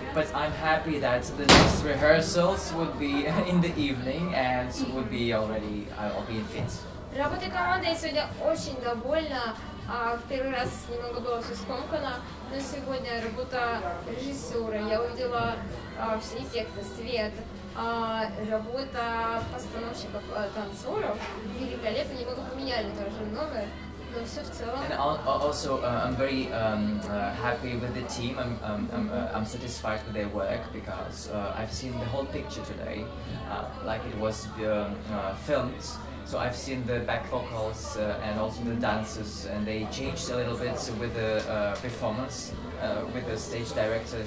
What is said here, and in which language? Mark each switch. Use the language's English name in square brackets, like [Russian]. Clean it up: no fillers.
[English] But I'm happy that the next rehearsals would be in the evening and would be already. I'll be in fit. [Russian] Работа команды сегодня очень довольна. В первый раз немного было все скомкано, но сегодня работа режиссера. Я увидела все эффекты, свет, работа постановщиков, танцоров великолепно. Немного поменяли тоже номер. [English] And also, I'm very happy with the team. I'm satisfied with their work because I've seen the whole picture today, like it was filmed. So I've seen the back vocals and also the dancers, and they changed a little bit with the performance, with the stage director.